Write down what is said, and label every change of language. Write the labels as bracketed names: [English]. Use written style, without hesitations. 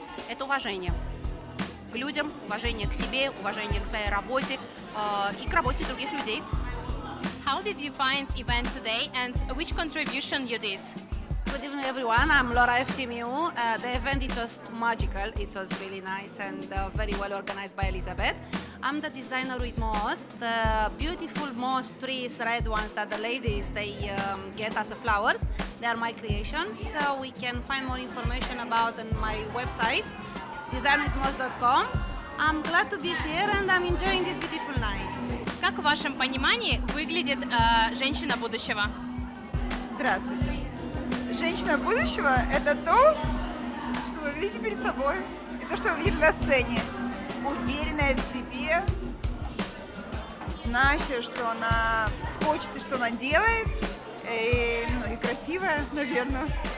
[Russian] Это уважение к людям, уважение к себе, уважение к своей работе и к работе других людей. [English] How did you find event today and which contribution you did? Good evening, everyone. I'm Laura FTMU. The event, it was magical. It was really nice and very well organized by Elizabeth. I'm the designer with Moss, the beautiful Moss trees, red ones that the ladies, they get as flowers. They are my creations. So we can find more information about on my website, designwithmoss.com. I'm glad to be here and I'm enjoying this beautiful night. [Russian] Как в вашем понимании выглядит женщина будущего? Здравствуйте. Женщина будущего – это то, что вы видите перед собой, и то, что вы видели на сцене. Уверенная в себе, знающая, что она хочет и что она делает, и, ну, и красивая, наверное.